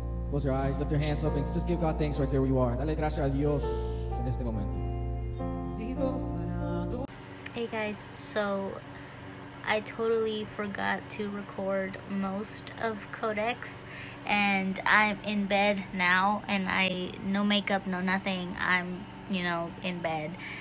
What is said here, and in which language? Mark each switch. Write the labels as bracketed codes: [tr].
[en] Close your eyes, lift your hands up, and just give God thanks right there where you are. [es] Dale gracias a Dios en este momento. [en] Hey guys, so I totally forgot to record most of Codex, and I'm in bed now, and I, no makeup, no nothing, I'm, you know, in bed.